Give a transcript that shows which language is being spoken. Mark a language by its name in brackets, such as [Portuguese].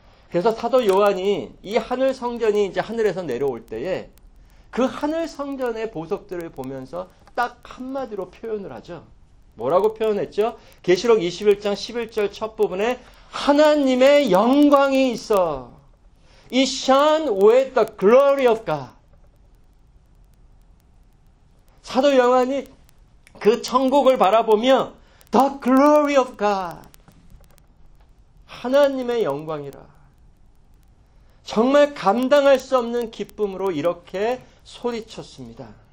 [Korean] 그래서 사도 요한이 이 하늘 성전이 이제 하늘에서 내려올 때에 그 하늘 성전의 보석들을 보면서 딱 한마디로 표현을 하죠. 뭐라고 표현했죠? 계시록 21장 11절 첫 부분에 하나님의 영광이 있어. [English] He shone with the glory of God. [Korean] 사도 요한이 그 천국을 바라보며 [English] The glory of God. [Korean] 하나님의 영광이라. 정말 감당할 수 없는 기쁨으로 이렇게 소리쳤습니다.